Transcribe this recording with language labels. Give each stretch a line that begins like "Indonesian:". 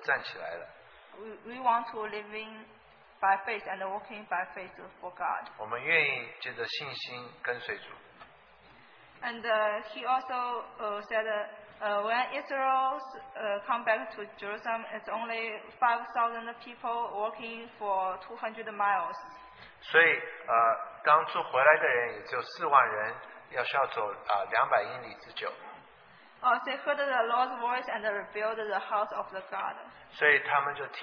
Chinese: 所以那天Dana弟兄挑战我们，我们几乎所有的人都站起来了。
English: We want to live in by faith and walking by faith for God.
Chinese: 我们愿意借着信心跟随主。
English: And he also said when Israel come back to Jerusalem, it's only 5,000 people walking for 200 miles.
Chinese: 所以刚出回来的人也只有4万人，要需要走200英里之久。
English: They heard the Lord's voice and revealed the house of the God.